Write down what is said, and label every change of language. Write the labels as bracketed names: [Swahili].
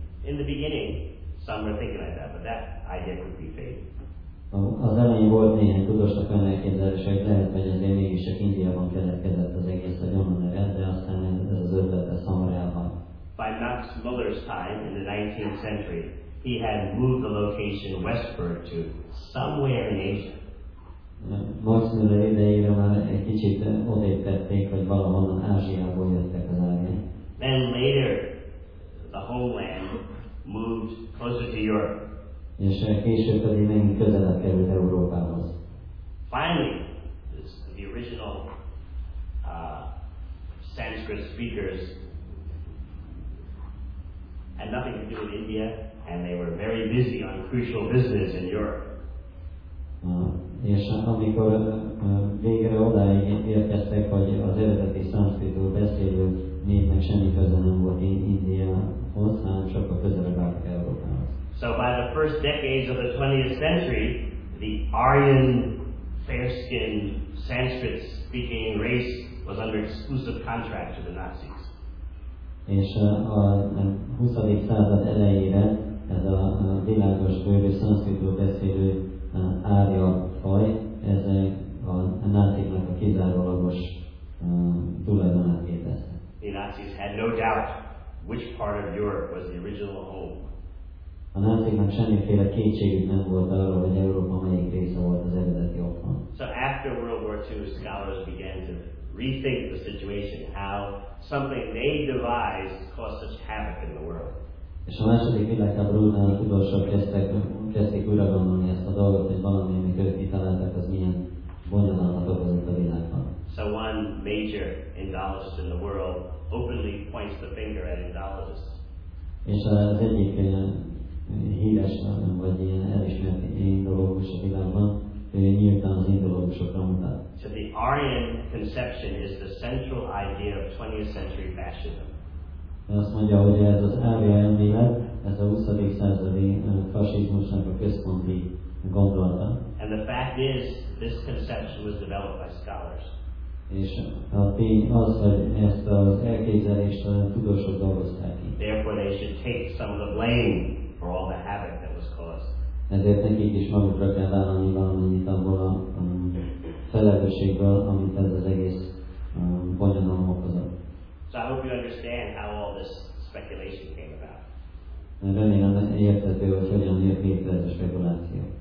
[English] In the beginning, some were thinking like that, but that idea would be fake. [Hungarian] Az elején volt néhány tudósnak olyan elképzelése, hogy lehet, hogy azért mégis csak Indiában keletkezett az egész, hogy onnan ered, de aztán ez az ötlet ez hamar elhalt. [English] By Max Müller's time in the 19th century, he had moved the location westward to somewhere in Asia. [Hungarian] Max Müller idejére már egy kicsit odébb tették, hogy valahonnan Ázsiából jöttek az árnyék. [English] Then later, the whole land moved closer to Europe. [Hungarian] És később pedig megint közelebb került Európához. [English] Finally, the original Sanskrit speakers had nothing to do with India, and they were very busy on crucial business in Europe. [Hungarian] És amikor végre odáig érkeztek, hogy az eredeti szanszkritul beszélő népnek semmi köze nem volt Indiához, hanem sokkal közelebb álltak Európához. [English] So by the first decades of the 20th century, the Aryan fair-skinned Sanskrit speaking race was under exclusive contract to the Nazis. [Hungarian] És a 20. század elejére ez a világos bőrű szanszkritul beszélő árja faj, ez a náciknak a kizárólagos tulajdonát képezte. [English] The Nazis had no doubt which part of Europe was the original home. [Hungarian] A náciknak semmiféle kétségük nem volt arról, hogy Európa melyik része volt az eredeti otthon. [English] So after World War II, scholars began to rethink the situation, how something they devised caused such havoc in the world. [Hungarian] És a második világháború után a tudósok kezdték újra gondolni ezt a dolgot, hogy valami, amit ők kitaláltak, az milyen bonyolultnak okozott a világban. [English] So one major Indologist in the world openly points the finger at Indologists. [Hungarian] És az egyik híres, vagy ilyen elismert indológus a világban, nyíltan az indológusokra mutat. [English] So the Aryan conception is the central idea of 20th century fascism. [Hungarian] Azt mondja, hogy ez az Aryan elmélet, ez a 20. századi fasizmusnak a központi gondolata. [English] And the fact is, this conception was developed by scholars. [Hungarian] És a tény az, hogy ezt az elképzelést a tudósok dolgozták ki. [English] Therefore they should take some of the blame for all the havoc that was caused. [Hungarian] Ezért nekik is magukra kell vállalni valamennyit abból a felelősségből, amit ez az egész bonyodalom okozott. [English] So I hope you understand how all this speculation came about. [Hungarian] Remélem érthető, hogy hogyan jött létre ez a spekuláció.